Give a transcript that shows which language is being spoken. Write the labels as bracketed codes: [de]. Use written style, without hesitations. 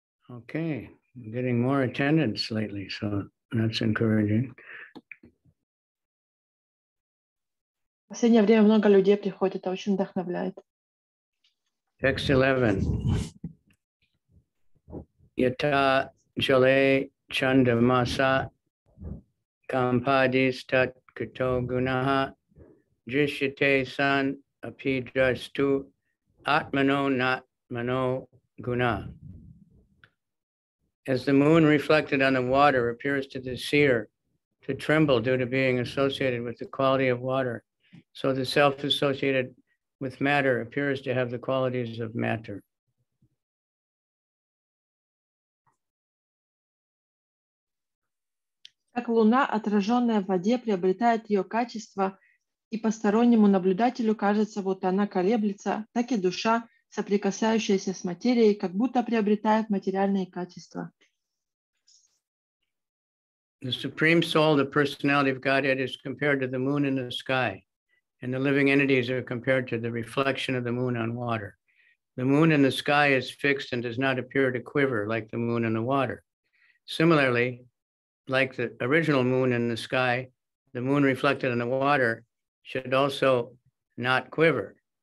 [en] Okay, I'm getting more attendance lately, so that's encouraging. [ru] В последнее время много людей приходит, это очень вдохновляет. [en] Text 11. [sa] Yata jale chandamasa kampadis tat kato gunaha drishyate san apidrastu atmano natmano guna. [en] As the moon reflected on the water appears to the seer to tremble due to being associated with the quality of water, so the self associated with matter appears to have the qualities of matter. [ru] Как луна, отраженная в воде, приобретает ее качество, и постороннему наблюдателю кажется, будто она колеблется, так и душа, соприкасающаяся с материей, как будто приобретает материальные качества. [en] The Supreme Soul, the personality of Godhead, is compared to the moon in the sky, and the living entities are compared to the reflection of the moon on water. The moon in the sky is fixed and does not appear to quiver like the moon in the water. Similarly, like the original moon in the sky, the moon reflected in the water should also not quiver.